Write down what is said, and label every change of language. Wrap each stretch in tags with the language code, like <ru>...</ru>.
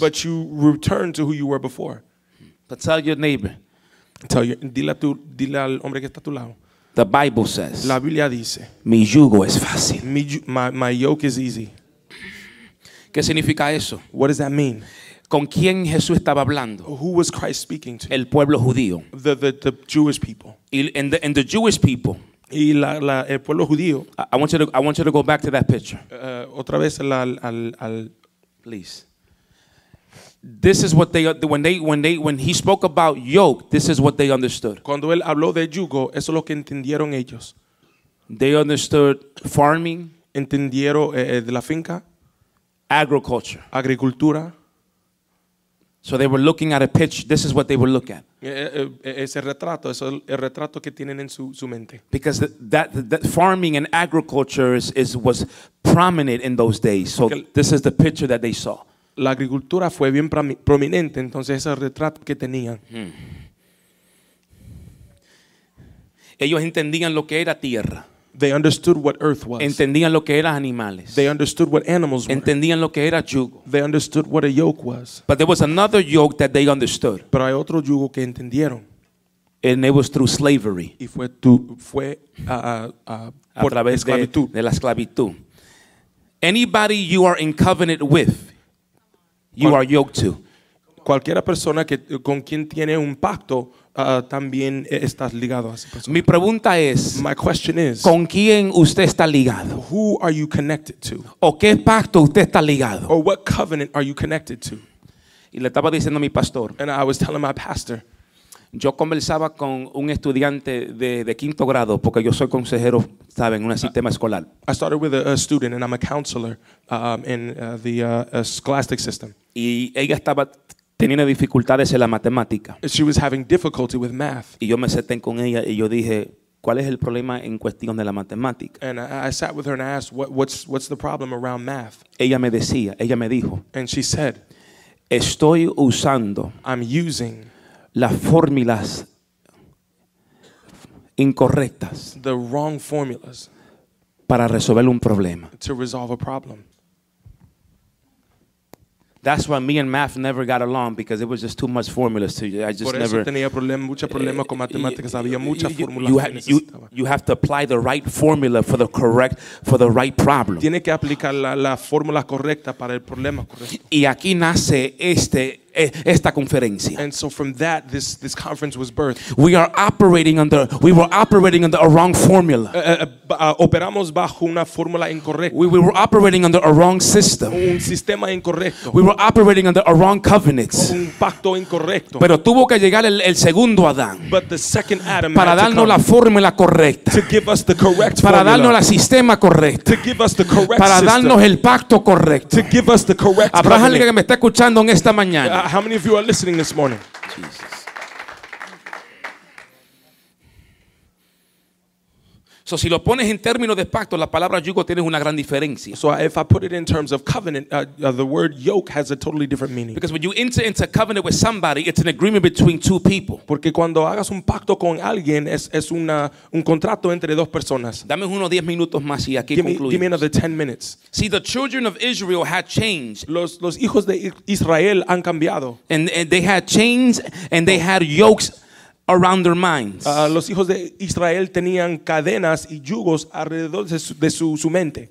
<en>But you return to who you were before. But tell your neighbor.</en> <es>Dile al hombre que está a tu lado.</es> <en>The Bible says.</en> <es>La Biblia dice. Mi yugo es fácil.</es> <en>My yoke is easy.</en> <es>¿Qué significa eso?</es> <en>What does that mean?</en> <es>¿Con quién Jesús estaba hablando?</es> <en>Who was Christ speaking to?</en> <es>El pueblo judío.</es> <en>The Jewish people. And the Jewish people.</en> <es>Y el pueblo judío.</es> <en>I want you to go back to that picture.</en> <es>Otra vez al</es> <en>please. This is what when he spoke about yoke, this is what they understood.</en> <es>Cuando él habló de yugo, eso es lo que entendieron ellos.</es> <en>They understood farming.</en> <es>Entendieron de la finca.</es> <en>Agriculture.</en> <es>Agricultura.</es> <en>So they were looking at a picture. This is what they would look at.</en> <es>Ese retrato, eso es el retrato que tienen en su mente.</es> <en>Because that farming and agriculture was prominent in those days. So this is the picture that they saw.</en> <es>La agricultura fue bien prominente, entonces ese retrato que tenían. Ellos entendían lo que era tierra.</es> <en>They understood what earth was.</en> <es>Entendían lo que eran animales.</es> <en>They understood what animals were.</en> <es>Entendían lo que era yugo.</es> <en>They understood what a yoke was. But there was another yoke that they understood.</en> <es>Pero hay otro yugo que entendieron.</es> <en>And it was through slavery.</en> <es>Y fue a través de la esclavitud.</es> <en>Anybody you are in covenant with, you are yoked to.</en> <es>Cualquiera persona con quien tiene un pacto, también estás ligado a esa persona. Mi pregunta es,</es> <en>my question is,</en> <es>¿con quién usted está ligado?</es> <en>Who are you connected to?</en> <es>¿O qué pacto usted está ligado?</es> <en>Or what covenant are you connected to?</en> <es>Y le estaba diciendo a mi pastor.</es> <en>And I was telling my pastor.</en> <es>Yo conversaba con un estudiante de quinto grado porque yo soy consejero, ¿sabe?, en un sistema escolar.</es> <en>I started with a student and I'm a counselor in the scholastic system.</en> <es>Y ella estaba teniendo dificultades en la matemática.</es> <en>She was having difficulty with math.</en> <es>Y yo me senté con ella y yo dije, ¿cuál es el problema en cuestión de la matemática?</es> <en>And I sat with her and I asked, what's the problem around math?</en> <es>Ella me dijo.</es> <en>And she said,</en> <es>estoy usando.</es> <en>I'm using.</en> <es>Las fórmulas incorrectas.</es> <en>The wrong formulas.</en> <es>Para resolver un problema.</es> <en>To resolve a problem. That's why me and math never got along because it was just too much formulas to you. I just never.</en> <es>Tenía mucho problema con matemáticas. Había muchas fórmulas.</es> <en>You have to apply the right formula for the correct, for the right problem.</en> <es>Tiene que aplicar la fórmula correcta para el problema correcto. Y aquí nace esta conferencia.</es> <en>And so from that, this conference was birthed. We were operating under a wrong formula.</en> <es>Operamos bajo una fórmula incorrecta.</es> <en>We were operating under a wrong system.</en> <es>Un sistema incorrecto.</es> <en>We were operating under a wrong covenant.</en> <es>Un pacto incorrecto. Pero tuvo que llegar el segundo Adán.</es> <en>But the second Adam</en> <es>para darnos la fórmula correcta.</es> <en>To give us the correct</en> <es>para</es> <en>formula.</en> <es>Darnos la sistema correcto.</es> <en>To give us the correct</en> <es>para darnos</es> <en>system.</en> <es>El pacto correcto.</es> <en>To give us the correct</en> <es>Abraham alguien que me está escuchando en esta mañana.</es> <en>How many of you are listening this morning? Jesus.</en> <es>So, si lo pones en términos de pacto, la palabra yugo tiene una gran diferencia.</es> <en>So, if I put it in terms of covenant, the word yoke has a totally different meaning. Because when you enter into covenant with somebody, it's an agreement between two people.</en> <es>Porque cuando hagas un pacto con alguien, es un contrato entre dos personas. Dame unos 10 minutos más y aquí concluimos.</es> <en>Give me another 10 minutes. See, the children of Israel had changed.</en> <es>Los hijos de Israel han cambiado.</es> <en>And they had chains and they had yokes. Around their minds.</en> <es>Los hijos de Israel tenían cadenas y yugos alrededor de su mente.</es>